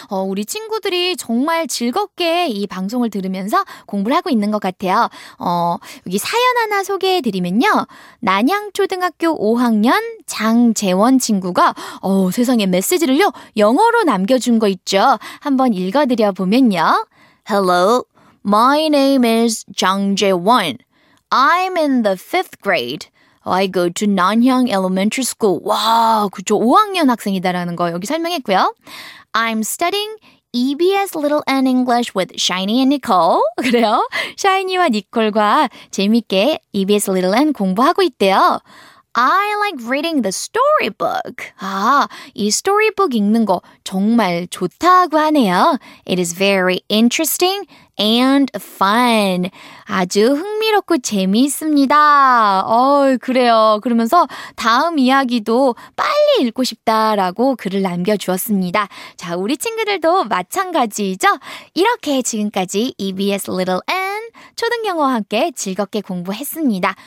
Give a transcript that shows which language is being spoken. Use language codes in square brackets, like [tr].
[ko] 우리 친구들이 정말 즐겁게 이 방송을 들으면서 공부를 하고 있는 것 같아요. 여기 사연 하나 소개해드리면요. 난양초등학교 5학년 장재원 친구가 세상에 메시지를요. 영어로 남겨준 거 있죠. 한번 읽어드려 보면요. [en] Hello, my name is 장재원. I'm in the fifth grade. I go to Nanyang Elementary School. [ko] 와, 그쵸. 5학년 학생이다라는 거 여기 설명했고요. [en] I'm studying EBS Little N English with Shiny and Nicole. [ko] 그래요? 샤이니와 니콜과 재밌게 EBS Little N 공부하고 있대요. [en] I like reading the storybook. [ko] 아, 이 storybook 읽는 거 정말 좋다고 하네요. [en] It is very interesting and fun. [ko] 아주 흥미롭고 재미있습니다. 그래요. 그러면서 다음 이야기도 빨리 읽고 싶다라고 글을 남겨주었습니다. 자, 우리 친구들도 마찬가지죠? 이렇게 지금까지 EBS Little N 초등영어와 함께 즐겁게 공부했습니다.